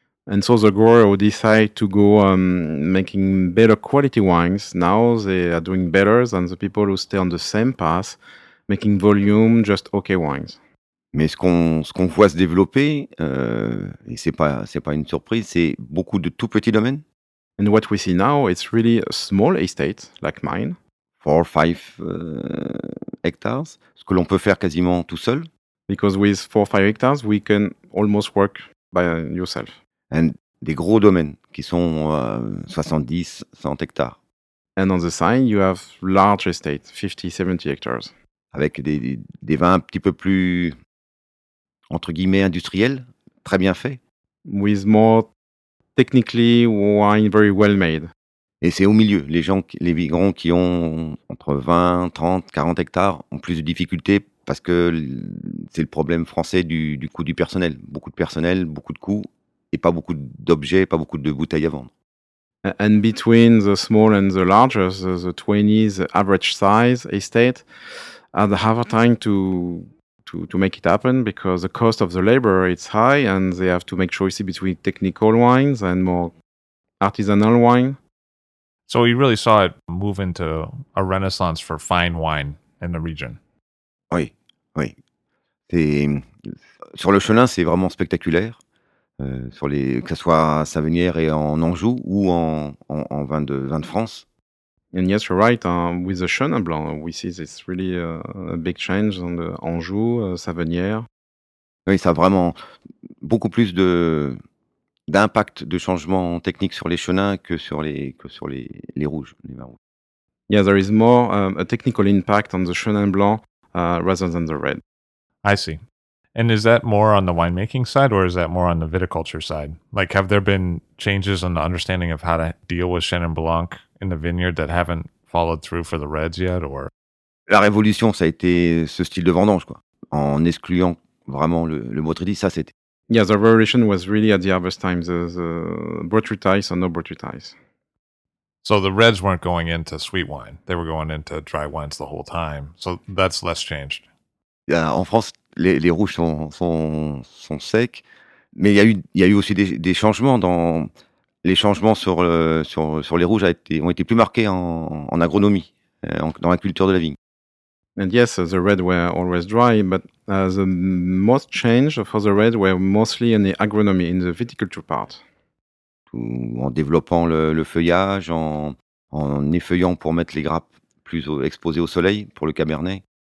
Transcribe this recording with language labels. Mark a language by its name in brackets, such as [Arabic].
[English] And so the growers who decide to go making better quality wines, now they are doing better than the people who stay on the same path, making volume, just okay wines. [French] Mais ce qu'on voit se développer, et c'est pas une surprise, c'est beaucoup de tout petits domaines. [English] And what we see now, it's really a small estate, like mine. [French] 4-5 hectares, ce que l'on peut faire quasiment tout seul. [English] Because with 4-5 hectares, we can almost work by yourself. [French] And des gros domaines qui sont 70-100 hectares. [English] And on the side, you have large estate, 50-70 hectares. [French] Avec des vins un petit peu plus, entre guillemets, industriels, très bien faits. [English] With more technically wine very well made. [French] Et c'est au milieu, les vignerons qui ont entre 20, 30, 40 hectares ont plus de difficultés parce que c'est le problème français du coût du personnel. Beaucoup de personnel, beaucoup de coûts et pas beaucoup d'objets, pas beaucoup de bouteilles à vendre. [English] And between the small and the larger, the 20s average size estate, are having a time to make it happen because the cost of the labor is high and they have to make choices between technical wines and more artisanal wine. So you really saw it move into a renaissance for fine wine in the region. [French] Oui, oui. C'est, sur le Chenin, c'est vraiment spectaculaire. Sur les, que ce soit à Savenières et en Anjou ou en vin de France. [English] And yes, you're right. With the Chenin Blanc, we see this really a big change on the Anjou, Savenières. [French] Oui, ça a vraiment beaucoup plus d'impact de changement technique sur les Chenins que sur les rouges, les vins rouges. [English] Yeah, there is more a technical impact on the Chenin Blanc rather than the red. I see. And is that more on the winemaking side or is that more on the viticulture side? Like, have there been changes in the understanding of how to deal with Chenin Blanc in the vineyard that haven't followed through for the reds yet? Or [French] la révolution, ça a été ce style de vendange, quoi, en excluant vraiment le botrytis, ça c'était. [English] Yeah, the revolution was really at the harvest time, the botrytis or no botrytis. So the reds weren't going into sweet wine, they were going into dry wines the whole time. So that's less changed. [French] Yeah, en France, les rouges sont secs, mais il y a eu aussi des changements dans les changements sur les rouges ont été plus marqués en agronomie, dans la culture de la vigne. [English] And yes, the red were always dry, but the most change for the red were mostly in the agronomy, in the viticulture part. [French] En développant le feuillage, en effeuillant pour mettre les grappes plus exposées au soleil pour le cabernet.